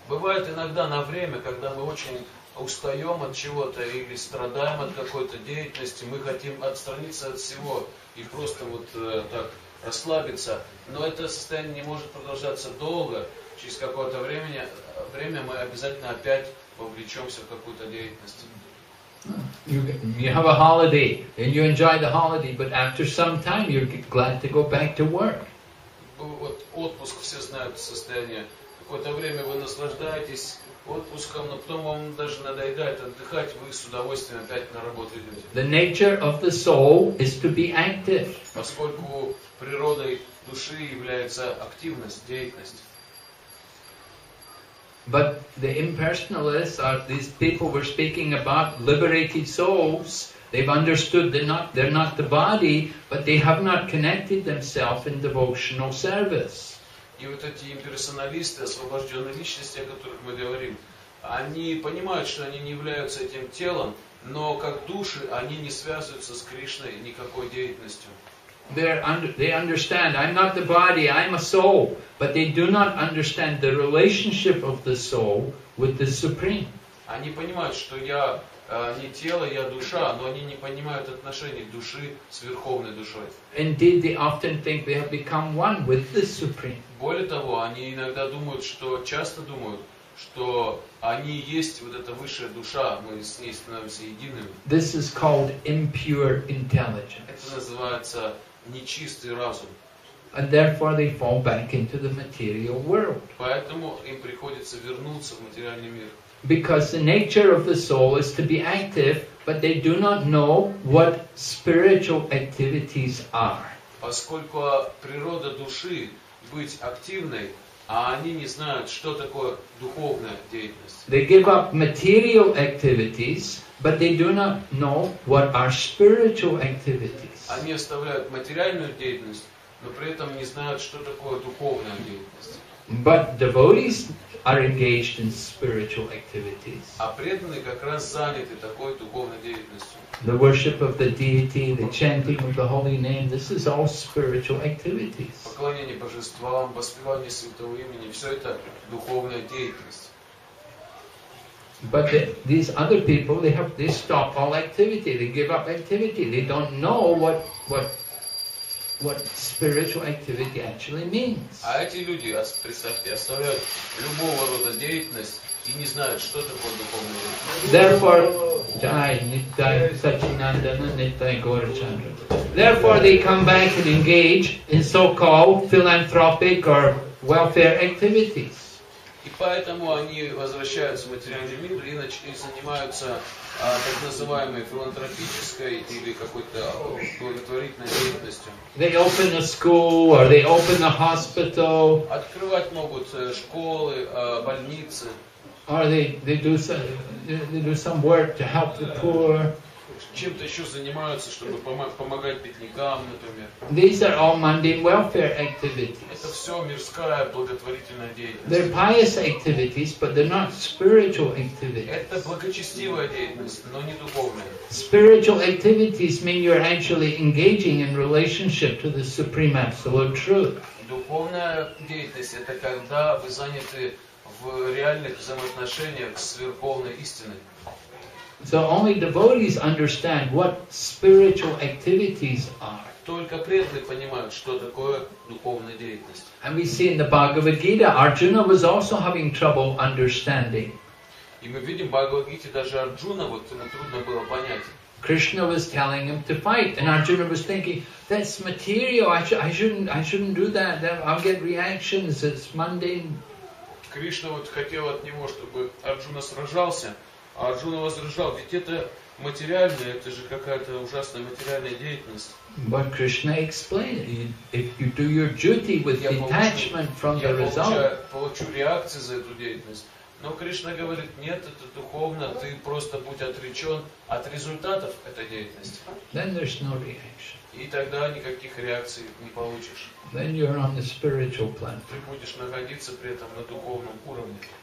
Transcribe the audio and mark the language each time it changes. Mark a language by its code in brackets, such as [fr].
[ru] Бывает иногда на время, когда мы очень устаем от чего-то или страдаем от какой-то деятельности, мы хотим отстраниться от всего и просто вот так расслабиться, но это состояние не может продолжаться долго. Через какое-то время мы обязательно опять вовлечемся в какую-то деятельность. [en] You have a holiday and you enjoy the holiday, but after some time you're glad to go back to work. [ru] Вот отпуск, все знают состояние. Какое-то время вы наслаждаетесь отпуском, но потом вам даже надоедает отдыхать, вы с удовольствием опять на работу идете. [en] The nature of the soul is to be active. [ru] Поскольку природой души является активность, деятельность. [en] But the impersonalists are these people we're speaking about, liberated souls. They've understood they're not the body, but they have not connected themselves in devotional service. [ru] И вот эти имперсоналисты, освобожденные личности, о которых мы говорим, они понимают, что они не являются этим телом, но как души они не связываются с Кришной никакой деятельностью. [en] They understand, I'm not the body, I'm a soul. But they do not understand the relationship of the soul with the Supreme. [ru] Они понимают, что я не тело, я душа, но они не понимают отношений души с Верховной Душой. [en] Indeed, they often think they have become one with the Supreme. [ru] Более того, они иногда думают, что часто думают, что они есть вот эта высшая душа, мы с ней становимся едиными. [en] This is called impure intelligence. [ru] Это называется нечистый разум. [en] And therefore they fall back into the material world. [ru] Поэтому им приходится вернуться в материальный мир. [en] Because the nature of the soul is to be active, but they do not know what spiritual activities are. [ru] Поскольку природа души быть активной, а они не знают, что такое духовная деятельность. [en] They give up material activities, but they do not know what are spiritual activities. [ru] Они оставляют материальную деятельность, но при этом не знают, что такое духовная деятельность. [en] But devotees are engaged in spiritual activities. [ru] А преданные как раз заняты такой духовной деятельностью. [en] The worship of the deity, the chanting of the holy name, this is all spiritual activities. [ru] Поклонение божествам, воспевание святого имени, все это духовная деятельность. [en] But these other people, they stop all activity, they give up activity, they don't know what spiritual activity actually means. [ru] А эти люди, представьте, оставляют любого рода деятельность и не знают, что такое духовное деятельность. [en] Therefore, Jai Nittai Sachinandana Nittai Gaurachandra. Therefore, they come back and engage in so-called philanthropic or welfare activities. [ru] И поэтому они возвращаются в материальный мир и занимаются так называемой филантропической или какой-то благотворительной деятельностью. [en] They open a school or they open a hospital. [ru] Открывать могут школы, больницы. [en] Or they do some work to help the poor. [ru] Чем-то еще занимаются, чтобы помогать бедникам, например. [en] These are all mundane welfare activities. [ru] Это все мирская благотворительная деятельность. [en] They're pious activities, but they're not spiritual activities. [ru] Это благочестивая деятельность, но не духовная. [en] Spiritual activities mean you're actually engaging in relationship to the Supreme Absolute Truth. [ru] Духовная деятельность — это когда вы заняты в реальных взаимоотношениях с Верховной Истиной. [en] So only devotees understand what spiritual activities are. [ru] Только преданные понимают, что такое духовная деятельность. [en] And we see in the Bhagavad Gita, Arjuna was also having trouble understanding. [ru] И мы видим в Бхагавад-гите, даже Арджуна вот трудно было понять. [en] Krishna was telling him to fight, and Arjuna was thinking, "That's material. I shouldn't do that. I'll get reactions. It's mundane." [ru] Кришна вот хотел от него, чтобы Арджуна сражался, а Арджуна возражал, ведь это материально, это же какая-то ужасная материальная деятельность. [en] But Krishna explained, if you do your duty with detachment from the result, [ru] я получу реакции за эту деятельность. Но Кришна говорит, нет, это духовно, ты просто будь отречен от результатов этой деятельности. [en] Then there's no reaction. [ru] И тогда никаких реакций не получишь. [en] Then you're on the spiritual plan. [ru] Ты будешь находиться при этом на духовном уровне.